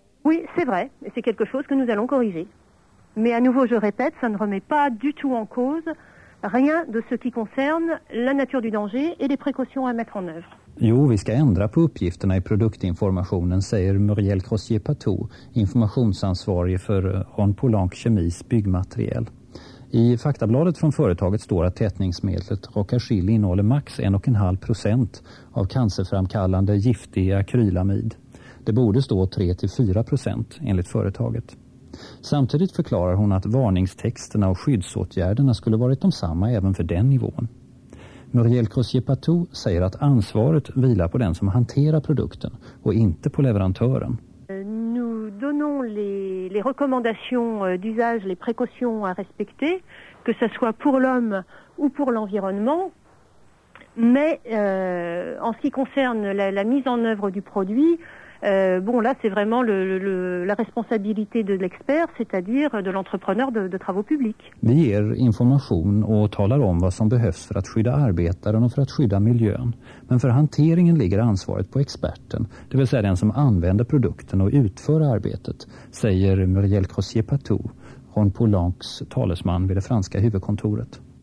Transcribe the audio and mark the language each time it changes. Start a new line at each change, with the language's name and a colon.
French: Oui, c'est vrai, et c'est quelque chose que nous allons corriger. Mais à nouveau, je répète, ça ne remet pas du tout en cause rien de ce qui concerne la nature du danger et les précautions à mettre en œuvre.
Swedish: Jo, vi ska ändra på uppgifterna i produktinformationen, säger Muriel Crozier-Patou, informationsansvarig för Ron Polenc Kemis byggmateriel. I faktabladet från företaget står att tätningsmedlet Rokagil innehåller max 1,5% av cancerframkallande giftiga akrylamid. Det borde stå 3-4% enligt företaget. Samtidigt förklarar hon att varningstexterna och skyddsåtgärderna skulle varit de samma även för den nivån. Muriel Crozier-Patou säger att ansvaret vilar på den som hanterar produkten och inte på leverantören.
French: Nous donnons les recommandations d'usage, les précautions à respecter, que ce soit pour l'homme ou pour l'environnement. Mais en ce qui concerne la mise en œuvre du produit, là c'est vraiment la responsabilité de l'expert, c'est-à-dire de l'entrepreneur de travaux publics.
Swedish: Vi ger information och talar om vad som behövs för att skydda arbetaren och för att skydda miljön. Men för hanteringen ligger ansvaret på experten, det vill säga den som använder produkten och utför arbetet, säger Muriel Crozier-Patou, Ron Polencs talesman vid det franska huvudkontoret.